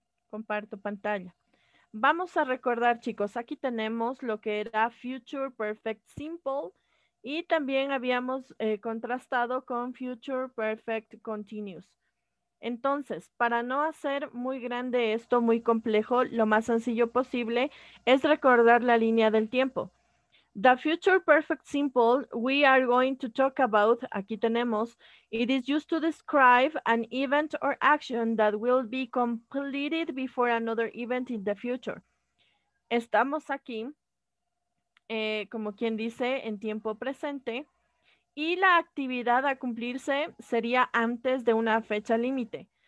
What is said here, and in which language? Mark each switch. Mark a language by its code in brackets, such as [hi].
[es] Comparto pantalla. Vamos a recordar, chicos, aquí tenemos lo que era Future Perfect Simple. Y también habíamos contrastado con Future Perfect Continuous. Entonces, para no hacer muy grande esto, muy complejo, lo más sencillo posible es recordar la línea del tiempo. [en] The Future Perfect Simple we are going to talk about, [es] aquí tenemos, [en] it is used to describe an event or action that will be completed before another event in the future. [es] Estamos aquí. Como quien dice, en tiempo presente, y la actividad a cumplirse sería antes de una fecha límite.